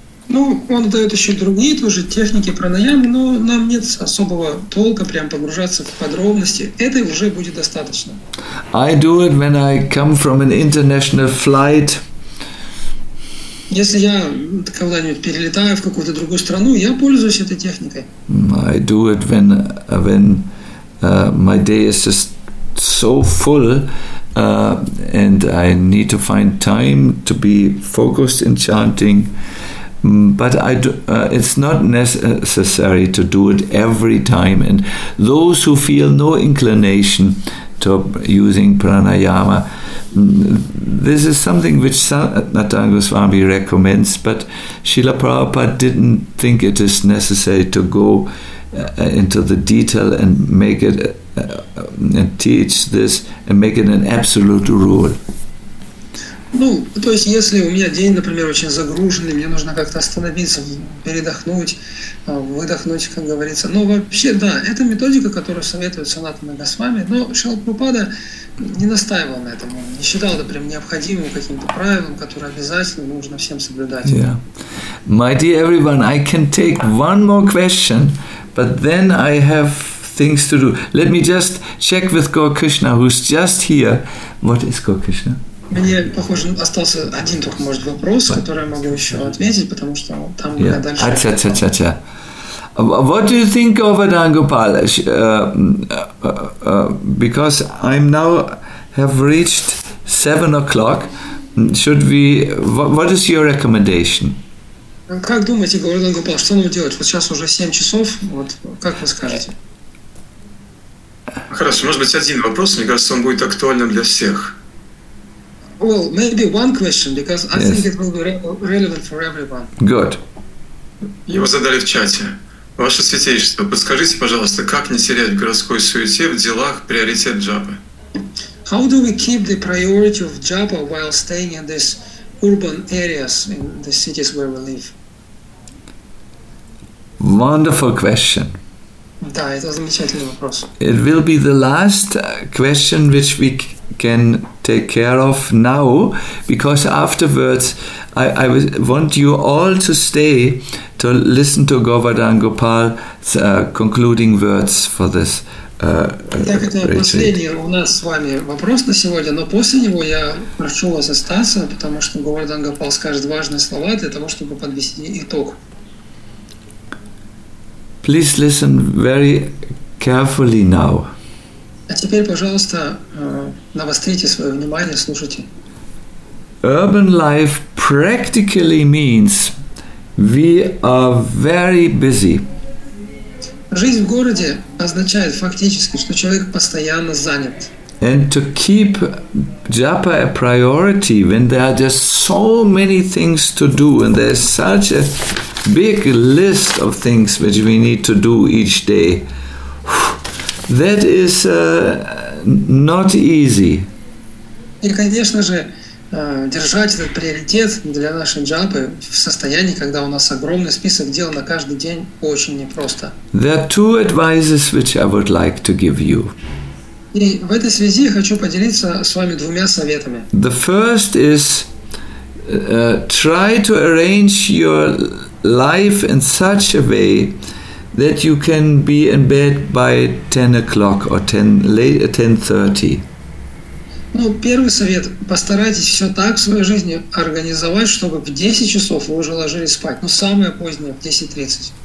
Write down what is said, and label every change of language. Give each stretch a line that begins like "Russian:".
Russian: Ну, он дает еще и другие тоже техники пранаямы, но нам нет особого толка прям погружаться в подробности. Это уже будет достаточно.
English: I do it when I come from an international flight.
Russian: Если я когда-нибудь перелетаю в какую-то другую страну, я пользуюсь этой техникой.
English: I do it when my day is just so full, and I need to find time to be focused in chanting. But I do, it's not necessary to do it every time. And those who feel no inclination to using pranayama, this is something which Satnatha Goswami recommends, but Srila Prabhupada didn't think it is necessary to go into the detail and make it and teach this and make it an absolute rule.
Russian: Ну, то есть, если у меня день, например, очень загруженный, мне нужно как-то остановиться, передохнуть, выдохнуть, как говорится. Но вообще, да, это методика, которую советует Санатана Госвами, но Шрила Прабхупада не настаивал на этом. Он не считал это прям необходимым каким-то правилом, которое обязательно нужно всем соблюдать.
English: Yeah. My dear everyone, I can take one more question, but then I have things to do. Let me just check with Gaurakrishna, who's just here. What is Gaurakrishna?
Russian: Мне, похоже, остался один только, может, вопрос, который я могу еще ответить, потому что там я дальше...
English: Ача-ча-ча-ча. What do you think of Adangopal? Because I'm now have reached 7 o'clock. Should we... What is your recommendation?
Russian: Как думаете, Адангопал, что нам делать? Вот сейчас уже 7 часов. Вот как вы скажете? Хорошо, может быть, один вопрос. Мне кажется, он будет актуальным для всех.
English: Well, maybe one question, because I think it will be relevant for everyone. Good.
Russian: Его задали в чате. Ваше святейшество, подскажите, пожалуйста, как не терять в городской суете в делах приоритет джапы?
English: How do we keep the priority of japa while staying in these urban areas, in the cities where we live? Wonderful question.
Russian: Да, это замечательный вопрос.
English: It will be the last question which we can take care of now, because afterwards I want you all to stay to listen to Govardhan Gopal's concluding words for this retreat.
Russian: Так, это последний у нас с вами вопрос на сегодня, но после него я прошу вас остаться, потому что Govardhan Gopal скажет важные слова для того, чтобы подвести итог.
English: Please listen very carefully now.
Russian: А теперь, пожалуйста, навострите свое внимание, слушайте.
English: Urban life practically means we are very busy.
Russian: Жизнь в городе означает фактически, что человек постоянно занят.
English: And to keep japa a priority when there are just so many things to do and there's such a big list of things which we need to do each day. That is not easy.
Russian: И, конечно же, держать этот приоритет для нашей джапы в состоянии, когда у нас огромный список дел на каждый день, очень непросто.
English: There are two advices which I would like to give you.
Russian: И в этой связи я хочу поделиться с вами двумя советами.
English: The first is try to arrange your life in such a way that you can be in bed by 10 o'clock or 10:30.
Russian: Ну, первый совет. Постарайтесь все так в своей жизни организовать, чтобы в 10 часов вы уже ложились спать. Ну, самое позднее, в 10:30.